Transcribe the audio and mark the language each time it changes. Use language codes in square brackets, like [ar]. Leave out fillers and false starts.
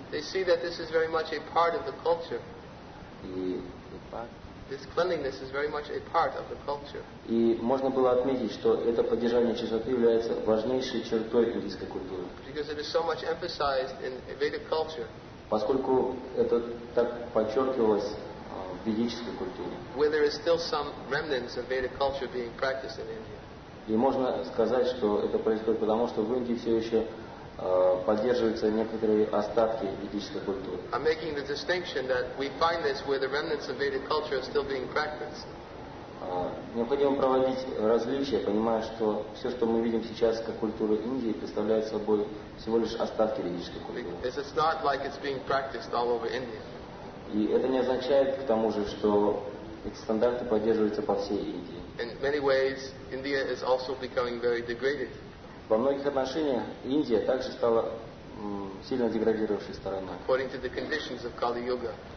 [en] They see that this is very much a part of the culture. This cleanliness is very much a part of the culture. [ru] И можно было отметить, что это поддержание чистоты является важнейшей чертой индийской культуры. [en] Because it is so much emphasized in Vedic culture. [ru] Поскольку это так подчеркивалось в ведической культуре. [en] Where there is still some remnants of Vedic culture being practiced in India. [ru] И можно сказать, что это происходит потому, что в Индии все еще поддерживаются некоторые остатки ведической культуры. [en] I'm making the distinction that we find this where the remnants of Vedic culture are still being practiced. [ru] Необходимо проводить различия, понимая, что все, что мы видим сейчас как культура Индии, представляет собой всего лишь остатки ведической культуры. [en] It's not like it's being practiced all over India. [ru] И это не означает, к тому же, что эти стандарты поддерживаются по всей Индии. [en] In many ways, India is also becoming very degraded. [ru] Во многих отношениях Индия также стала сильно деградировавшей стороной. [en] According to the conditions of Kali Yuga.